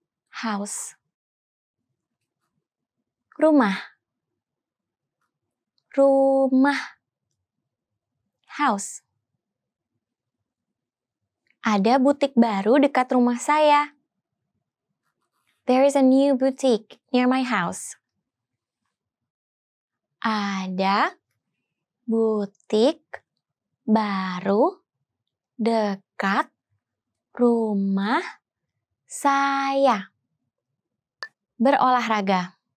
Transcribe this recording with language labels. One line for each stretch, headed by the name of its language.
English: House.
Indonesian: Rumah. Rumah.
English: House.
Indonesian: Ada butik baru dekat rumah saya.
English: There is a new boutique near my house.
Indonesian: Ada butik baru dekat rumah saya. Berolahraga.